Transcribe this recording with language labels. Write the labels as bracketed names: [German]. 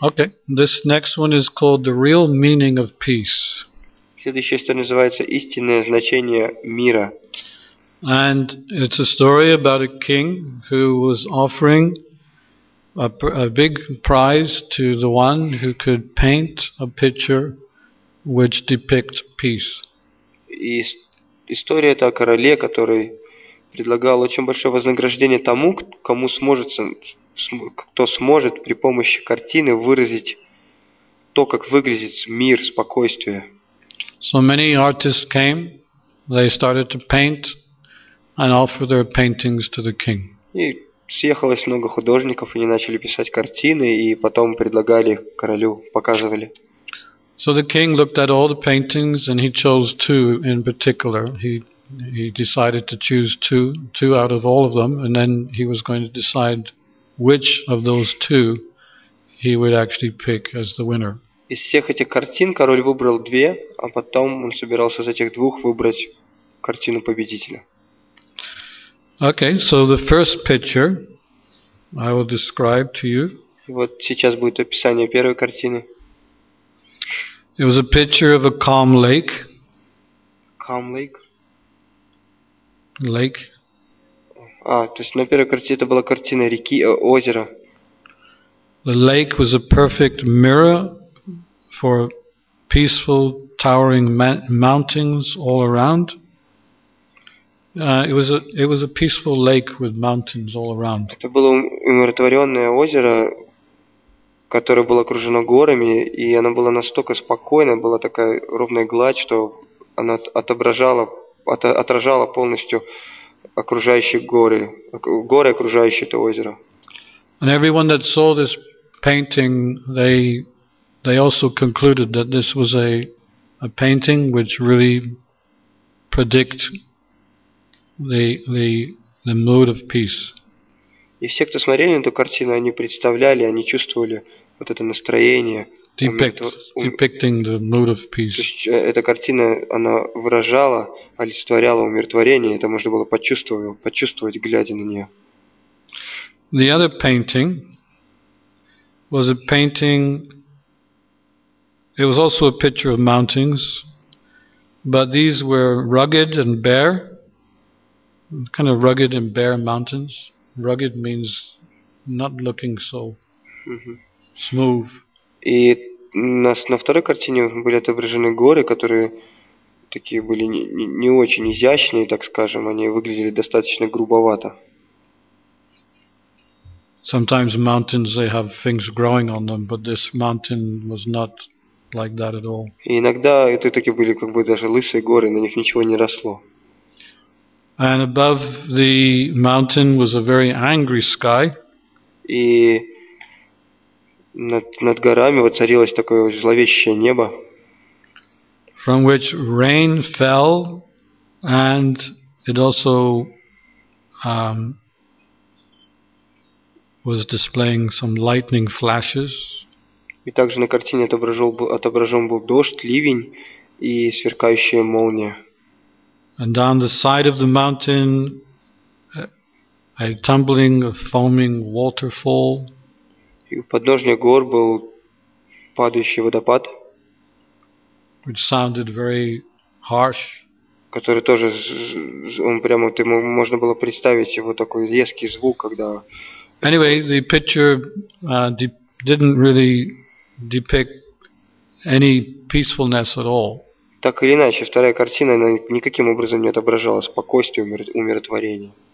[English] Okay, this next one is called The Real Meaning of Peace. [Russian] Следующая история называется «Истинное значение мира». [English] And it's a story about a king who was offering a big prize to the one who could paint a picture which depicts peace. [Russian] И история это о короле, который предлагал очень большое вознаграждение тому, кому сможет, кто сможет при помощи картины выразить то, как выглядит мир, спокойствие. [English] So many artists came, they started to paint and offer their paintings to the king. [Russian] И съехалось много художников, они начали писать картины и потом предлагали их королю, показывали. [English] So the king looked at all the paintings and he chose two in particular. He decided to choose two out of all of them, and then he was going to decide which of those two he would actually pick as the winner. [Russian] Из всех этих картин король выбрал две, а потом он собирался из этих двух выбрать картину победителя. [English] Okay, so the first picture I will describe to you. [Russian] И вот сейчас будет описание первой картины. [English] It was a picture of a calm lake. Calm lake? Lake. [Russian] А, то есть на первой картине это была картина реки, озера. [English] The lake was a perfect mirror for peaceful towering mountains all around. It was a peaceful lake with mountains all around. [Russian] Это было умиротворённое озеро, которое было окружено горами, и оно было настолько спокойно, была такая ровная гладь, что она отражала полностью окружающие горы, окружающие это озеро. [English] And everyone that saw this painting, they also concluded that this was a painting which really predict the mood of peace. [Russian] И все, кто смотрели на эту картину, они представляли, они чувствовали вот это настроение. [English] Depicting the mood of peace. [Russian] То есть эта картина, она выражала, олицетворяла умиротворение, это можно было почувствовать, глядя на нее. [English] The other painting was a painting, it was also a picture of mountains, but these were rugged and bare, kind of rugged and bare mountains. Rugged means not looking so smooth. [Russian] И на второй картине были отображены горы, которые такие были не очень изящные, так скажем, они выглядели достаточно грубовато. [English] Sometimes mountains they have things growing on them, but this mountain was not like that at all. [Russian] И иногда это такие были как бы даже лысые горы, на них ничего не росло. [English] And above the mountain was a very angry sky. [Russian] И над горами воцарилось такое зловещее небо. [English] From which rain fell, and it also was displaying some lightning flashes. [Russian] И также на картине отображен был дождь, ливень и сверкающая молния. [English] And down the side of the mountain, a tumbling, a foaming waterfall. [Russian] И у подножия гор был падающий водопад, [English] which sounded very harsh, [Russian] который тоже, он прямо, ему можно было представить его такой резкий звук, когда... [English] Anyway, the picture didn't really depict any peacefulness at all. [Russian] Так или иначе, вторая картина, она никаким образом не отображала спокойствие, умиротворение.